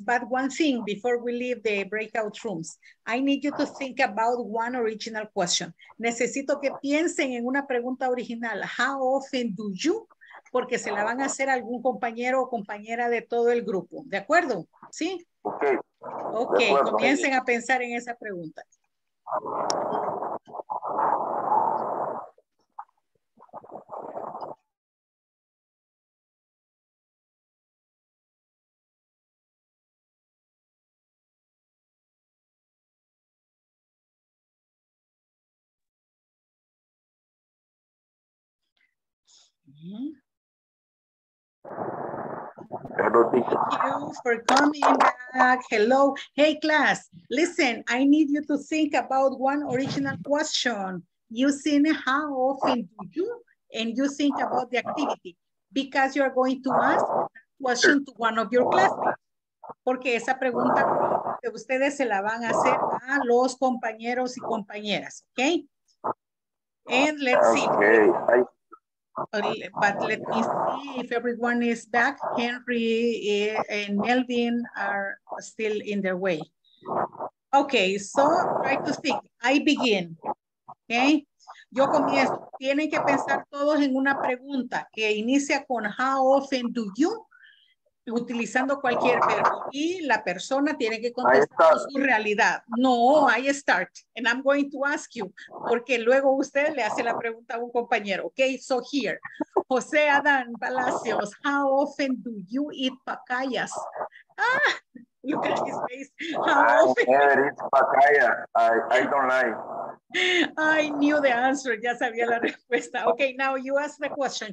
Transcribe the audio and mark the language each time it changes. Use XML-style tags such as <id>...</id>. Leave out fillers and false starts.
<en>But one thing before we leave the breakout rooms, I need you to think about one original question.</en> <es>Necesito que piensen en una pregunta original.</es> <en>How often do you?</en> <es>Porque se la van a hacer algún compañero o compañera de todo el grupo. ¿De acuerdo? ¿Sí? Ok. Ok, comiencen a pensar en esa pregunta.</es> <en>Thank you for coming back. Hello. Hey, class. Listen, I need you to think about one original question. Using how often do you, and you think about the activity, because you're going to ask that question to one of your classmates.</en> <es>Porque esa pregunta de ustedes se la van a hacer a los compañeros y compañeras.</es> <en>Okay? And let's see. Okay. But let me see if everyone is back. Henry and Melvin are still in their way. Okay, so try to think. I begin. Okay.</en> <es>Yo comienzo. Tienen que pensar todos en una pregunta que inicia con</es> <en>how often do you,</en> <es>utilizando cualquier verbo. Y la persona tiene que contestar su realidad.</es> <en>No, I start. And I'm going to ask you.</en> <es>Porque luego usted le hace la pregunta a un compañero.</es> <en>Okay, so here. José Adán Palacios, how often do you eat papayas? Ah, look at his face. I don't like. I knew the answer.</en> <es>Ya sabía la respuesta.</es> <en>Okay, now you ask the question.</en>